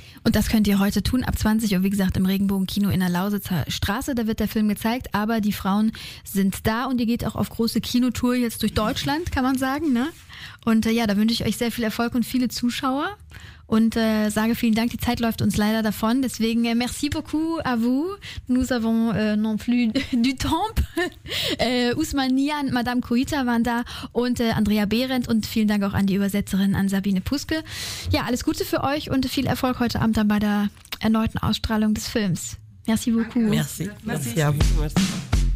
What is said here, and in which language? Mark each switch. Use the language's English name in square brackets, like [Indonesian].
[German] Und das könnt ihr heute tun, ab 20 Uhr, wie gesagt, im Regenbogenkino in der Lausitzer Straße. Da wird der Film gezeigt, aber die Frauen sind da, und ihr geht auch auf große Kinotour jetzt durch Deutschland, kann man sagen, ne? Und da wünsche ich euch sehr viel Erfolg und viele Zuschauer. Und sage vielen Dank, die Zeit läuft uns leider davon. Deswegen [French] merci beaucoup à vous. Nous avons non plus du temps. [German] Ousmane Nian, Madame Koita waren da und Andrea Behrendt. Und vielen Dank auch an die Übersetzerin, an Sabine Puske. Ja, alles Gute für euch und viel Erfolg heute Abend dann bei der erneuten Ausstrahlung des Films. [French] Merci beaucoup. Merci. Merci. Merci. Merci.